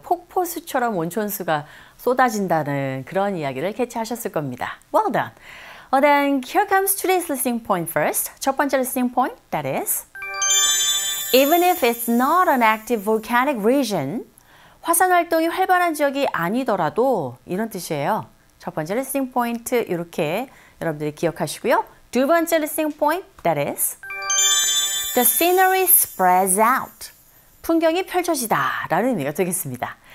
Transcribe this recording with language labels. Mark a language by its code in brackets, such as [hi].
[ko] 폭포수처럼 온천수가 쏟아진다는 그런 이야기를 캐치하셨을 겁니다. [en] Well done. Well then, here comes today's listening point first. [ko] 첫 번째 [en] listening point, that is, even if it's not an active volcanic region, [ko] 화산 활동이 활발한 지역이 아니더라도 이런 뜻이에요. 첫 번째 listening point 이렇게 여러분들이 기억하시고요. 두 번째 [en] listening point, that is, the scenery spreads out. [ko] 풍경이 펼쳐지다 라는 의미가 되겠습니다.